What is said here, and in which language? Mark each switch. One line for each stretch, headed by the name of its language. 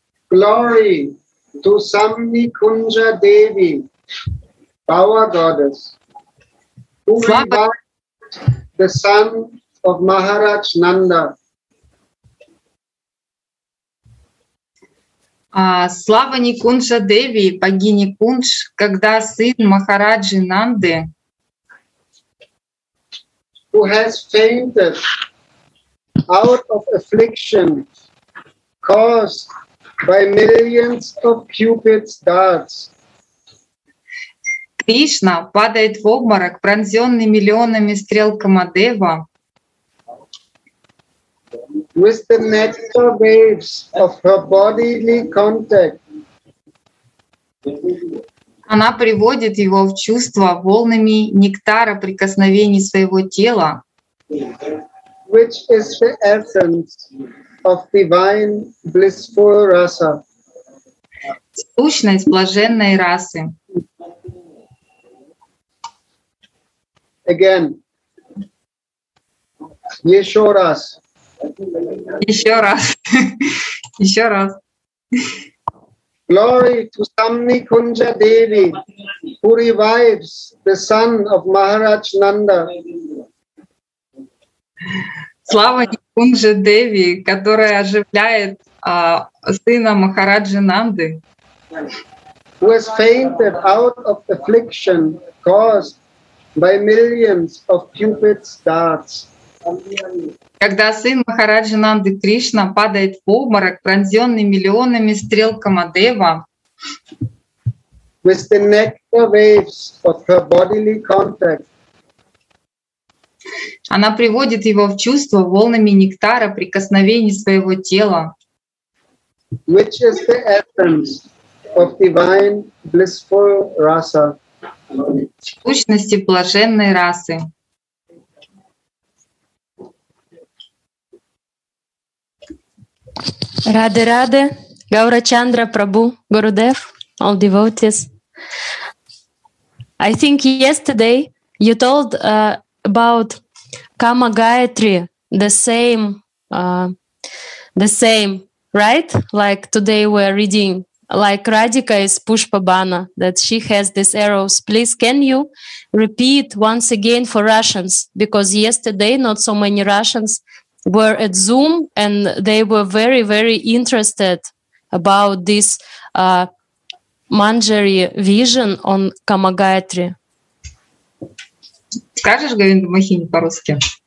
English: Glory to Samni Kunja Devi, power goddess, who invited the son of Maharaj Nanda.
Russian: Слава Никунджа Деви, богине Кундж, когда сын Махараджи Нанды,
English: who has fainted out of affliction caused by millions of Cupid's darts.
Russian: Кришна падает в обморок, пронзенный миллионами стрел Камадева.
English: With the nectar waves of her bodily contact.
Russian: Она приводит его в чувство волнами нектара прикосновений своего тела.
English: Which is the essence of divine blissful rasa.
Russian: Сущность блаженной расы.
English: Again.
Russian: Еще раз. Еще раз.
English: Glory to Samni Kunja Devi, who revives the son of Maharaj Nanda.
Russian: Слава Никунджа Деви, которая оживляет сына Махараджи Нанды.
English: Who has fainted out of affliction caused by millions of Cupid's darts.
Russian: Когда сын Махараджи Нанды Кришна падает в обморок, пронзенный миллионами стрел Камадева,
English: with the nectar waves of her bodily contact,
Russian: она приводит его в чувство волнами нектара прикосновений своего тела,
English: which is the essence of divine blissful rasa,
Russian: сущности блаженной расы.
English: Rade, rade, Gaurachandra Prabhu, Gurudev, all devotees. I think yesterday you told about Kama Gayatri, the same, right? Like today we're reading, like Radhika is Pushpabana, that she has these arrows. Please, can you repeat once again for Russians? Because yesterday not so many Russians were at Zoom and they were very, very interested about this Manjari vision on Kama Gayatri.
Russian: Скажешь, Говинда Махини, по-русски?